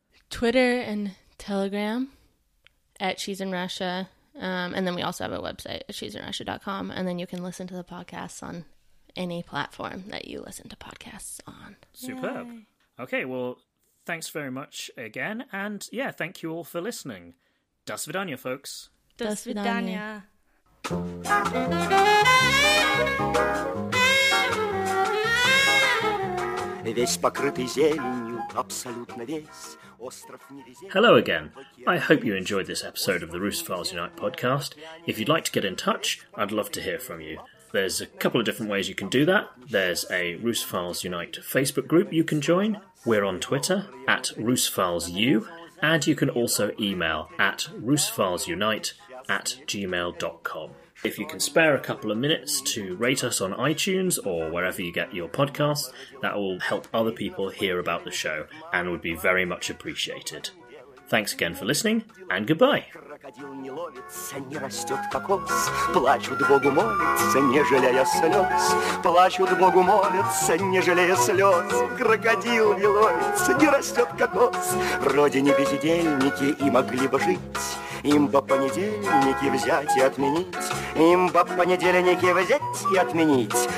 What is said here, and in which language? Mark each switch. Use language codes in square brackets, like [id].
[en] Twitter and Telegram at She's in Russia. And then we also have a website at shesinrussia.com. And then you can listen to the podcasts on any platform that you listen to podcasts on. Superb. Yay. Okay, well, thanks very much again. And yeah, thank you all for listening. [ru] До свидания, [en] folks. [ru] До свидания. Весь покрытый зеленью, абсолютно весь остров не везде. [en] Hello again. I hope you enjoyed this episode of the Roost Files Unite podcast. If you'd like to get in touch, I'd love to hear from you. There's a couple of different ways you can do that. There's a Roost Files Unite Facebook group you can join. We're on Twitter at RoostFilesU. And you can also email at roostfilesunite@gmail.com. If you can spare a couple of minutes to rate us on iTunes or wherever you get your podcasts, that will help other people hear about the show and would be very much appreciated. Thanks again for listening, and goodbye. [ru] Крокодил не ловится, не растет кокос, плачут Богу молятся, не жалея слез, плачут Богу молятся, не жалея слез. Крокодил не ловится, не растет кокос. Вроде не бездельники и могли бы жить. Им бы понедельники взять и отменить, им бы понедельники взять и отменить.